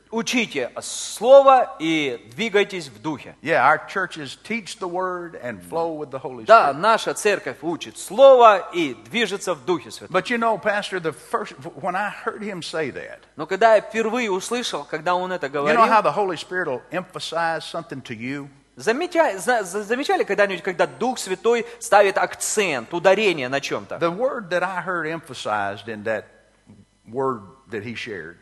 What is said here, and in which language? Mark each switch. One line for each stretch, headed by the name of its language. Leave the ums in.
Russian: Учите слово и двигайтесь в духе.
English: Yeah, our churches teach the word and flow with the Holy Spirit.
Russian: Да, наша церковь учит слово и движется в духе святом.
English: But you know, pastor, the first when I heard him say that.
Russian: Но когда я впервые услышал, когда он это говорил.
English: You know how the Holy Spirit will emphasize something to you.
Russian: Замечали, замечали когда-нибудь, когда Дух Святой ставит акцент, ударение на чем-то?
English: The word that I heard emphasized in that word That he shared.